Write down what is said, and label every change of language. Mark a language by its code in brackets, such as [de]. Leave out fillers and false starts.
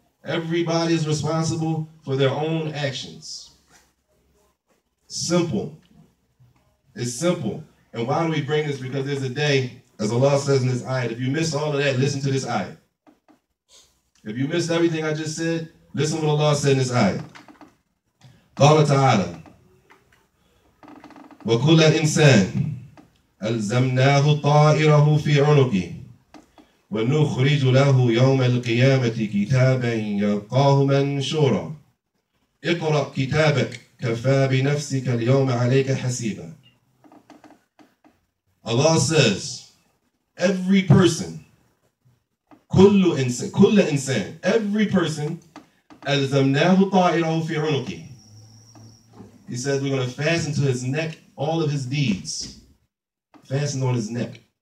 [en] Everybody is responsible for their own actions. Simple. It's simple. And why do we bring this? Because there's a day, as Allah says in this ayat, if you miss all of that, listen to this ayat. If you missed everything I just said, listen to what Allah said in this ayat. [ar] قال تعالى وكل إنسان ألزمناه طائره في عنقه ونخرج له يوم القيامة كتابا يلقاه منشورا اقرأ كتابك كفى بنفسك اليوم عليك حسيبا. [en] Allah says, every person, [ar] كل إنسان, [en] every person, [ar] ألزمناه طائره في عنقه. [en] He says, we're going to fasten to his neck all of his deeds. Fasten on his neck.